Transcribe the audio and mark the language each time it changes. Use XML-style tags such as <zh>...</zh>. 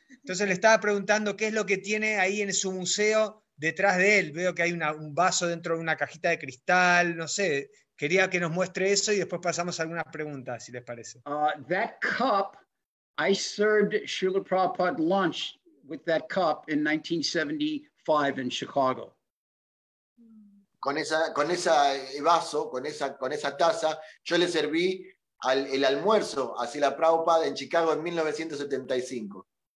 <es>Entonces le estaba preguntando qué es lo que tiene ahí en su museo detrás de él. Veo que hay un vaso dentro de una cajita de cristal, no sé. Quería que nos muestre eso y después pasamos a algunas preguntas, si les parece.</es> <en>That cup, I served Srila Prabhupada lunch with that cup in 1975 in Chicago.</en> <es>Con esa taza, yo le serví el almuerzo a Srila Prabhupada en Chicago en 1975.</es>